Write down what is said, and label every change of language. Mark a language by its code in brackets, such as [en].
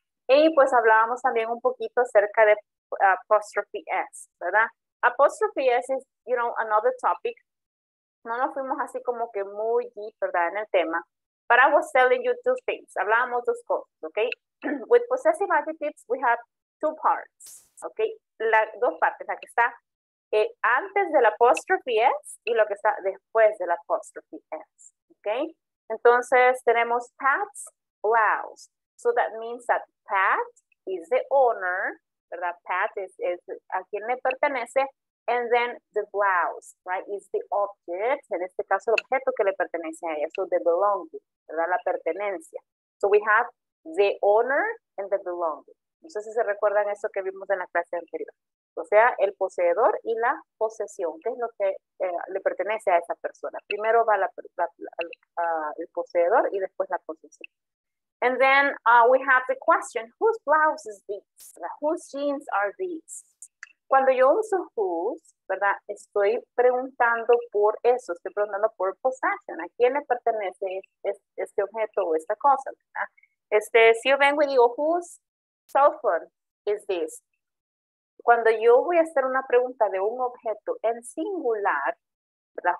[es] Y pues hablábamos también un poquito acerca de apostrophe S, ¿verdad? [en] Apostrophe S is, you know, another topic. [es] No nos fuimos así como que muy deep, ¿verdad? En el tema. [en] But I was telling you two things. [es] Hablábamos dos cosas, [en] okay? With possessive adjectives, we have two parts, okay? [es] Dos partes, la que está antes del apostrophe S y lo que está después del apostrophe S, okay? Entonces, tenemos [en] Pat's blouse. So that means that Pat is the owner, ¿verdad? [es] Pat es a quien le pertenece. [en] And then the blouse, right, is the object, [es] en este caso el objeto que le pertenece a ella, [en] so the belonging, [es] ¿verdad? La pertenencia. [en] So we have the owner and the belonging. [es] No sé si se recuerdan eso que vimos en la clase anterior. O sea, el poseedor y la posesión, que es lo que le pertenece a esa persona. Primero va el poseedor y después la posesión. [en] And then we have the question, whose blouse is this? Whose jeans are these? [es] Cuando yo uso [en] whose, ¿verdad? [es] Estoy preguntando por eso, estoy preguntando por possession. ¿A quién le pertenece este objeto o esta cosa, ¿verdad? Si yo vengo y digo, [en] whose cell phone is this? [es] Cuando yo voy a hacer una pregunta de un objeto en singular, ¿verdad?